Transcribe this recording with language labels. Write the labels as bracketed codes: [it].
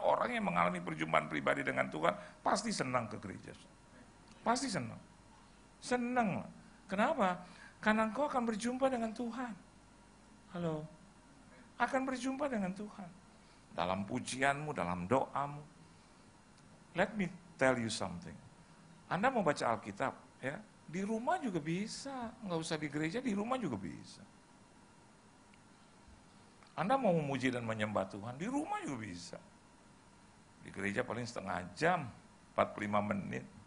[id] Orang yang mengalami perjumpaan pribadi dengan Tuhan pasti senang ke gereja. Pasti senang. Senang. Kenapa? Karena engkau akan berjumpa dengan Tuhan. Halo? Akan berjumpa dengan Tuhan. Dalam pujianmu, dalam doamu. [en] Let me tell you something. [id] Anda mau baca Alkitab, ya? Di rumah juga bisa. Enggak usah di gereja, di rumah juga bisa. Anda mau memuji dan menyembah Tuhan, di rumah juga bisa. Di gereja paling setengah jam, 45 menit.